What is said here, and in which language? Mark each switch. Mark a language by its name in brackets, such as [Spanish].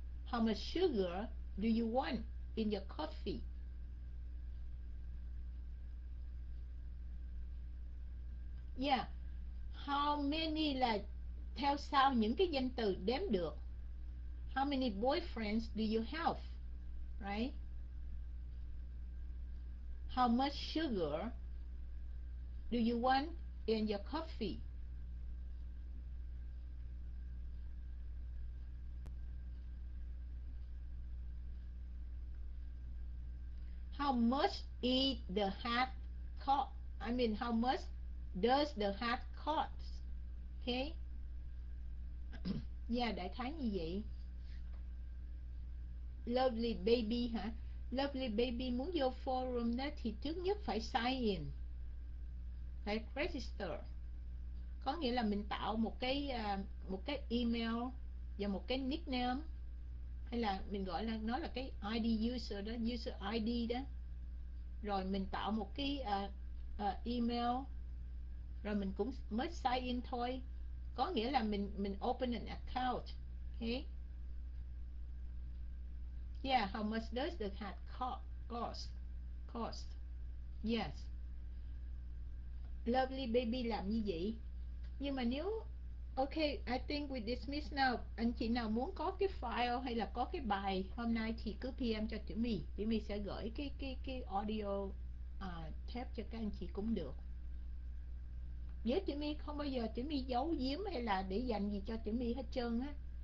[English] How much sugar do you want in your coffee? [Vietnamese] Yeah, how many là theo sau những cái danh từ đếm được. [English] How many boyfriends do you have, right? How much sugar do you want in your coffee? How much is the hat cost? I mean, how much does the hat cost? Okay. [Vietnamese] Yeah, đại khái như vậy. Lovely baby, huh? Lovely baby muốn vô forum đó thì trước nhất phải sign in, phải register, có nghĩa là mình tạo một cái email và một cái nickname, hay là mình gọi là nó là cái ID user đó, user ID đó, rồi mình tạo một cái email, rồi mình cũng mới sign in thôi, có nghĩa là mình [English] open an account, [Vietnamese] okay? [English] Yeah, how much does the hat cost? Yes. [Vietnamese] Lovely baby làm như vậy. Nhưng mà nếu [English] okay, I think we dismiss now. [Vietnamese] Anh chị nào muốn có cái file hay là có cái bài hôm nay thì cứ PM cho Tiểu My. Tiểu My sẽ gửi cái audio tape cho các anh chị cũng được. Với Tiểu My không bao giờ Tiểu My giấu giếm hay là để dành gì cho Tiểu My hết trơn á.